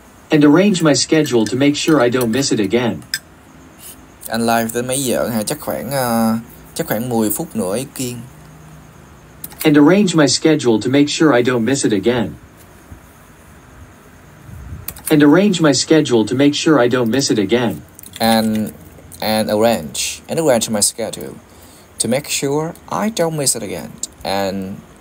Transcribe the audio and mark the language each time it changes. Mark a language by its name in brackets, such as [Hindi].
[English] And arrange my schedule to make sure I don't miss it again. And [Vietnamese] live đến mấy giờ hả? Chắc khoảng 10 phút nữa ấy kiên. [English] And arrange my schedule to make sure I don't miss it again. And arrange my schedule to make sure I don't miss it again. And arrange my schedule to make sure I don't miss it again.